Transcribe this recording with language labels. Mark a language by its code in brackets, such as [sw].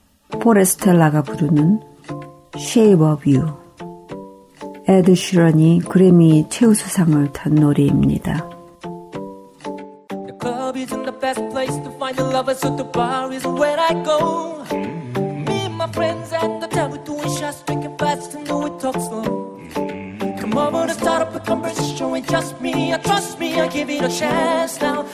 [ko] 포레스텔라가 부르는 Shape of You. 에드 시런이 그래미 최우수상을 탄 노래입니다. [en] The club isn't the best place to find a lover, so the bar is where I go. Me and my friends at the table doing shots, drinking fast and we talk slow. Come over to start up a conversation with just me. Trust me, I'll give it a chance now.